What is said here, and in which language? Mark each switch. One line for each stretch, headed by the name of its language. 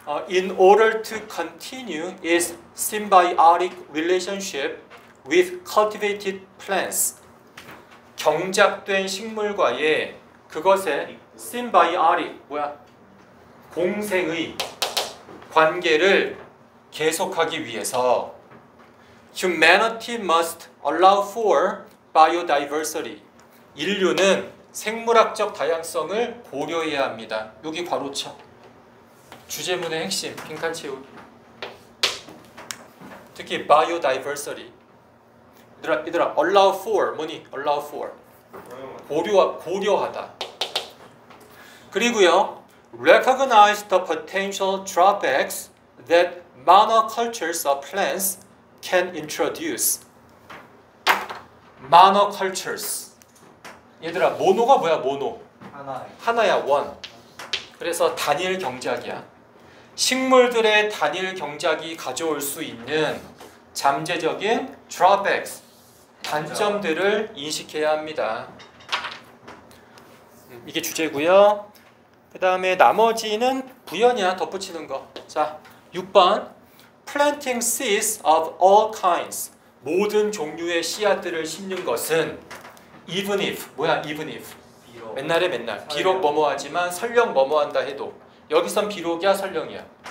English: In order to continue its symbiotic relationship with cultivated plants,
Korean: 경작된 식물과의 그것의
English: symbiotic 뭐야?
Korean: 공생의 관계를 계속하기 위해서
English: humanity must allow for biodiversity.
Korean: 인류는 생물학적 다양성을 고려해야 합니다. 여기 바로 쳐. 주제문의 핵심, 빈칸 채울. 특히 biodiversity. 얘들아, allow for, 뭐니? allow for. 고려하다.
English: 그리고요, recognize the potential drawbacks that monocultures of plants can introduce. Monocultures.
Korean: 얘들아, 모노가 뭐야, 모노? 하나야, 원. 그래서 단일 경작이야. 식물들의 단일 경작이 가져올 수 있는 잠재적인 drawbacks, 단점들을 인식해야 합니다. 이게 주제고요. 그 다음에 나머지는 부연이야, 덧붙이는 거. 자, 6번.
English: Planting seeds of all kinds.
Korean: 모든 종류의 씨앗들을 심는 것은
English: even if,
Korean: 뭐야 even if? 비록. 맨날. 비록 뭐뭐하지만 설령 뭐뭐한다 해도. 여기선 비록이야, 설령이야?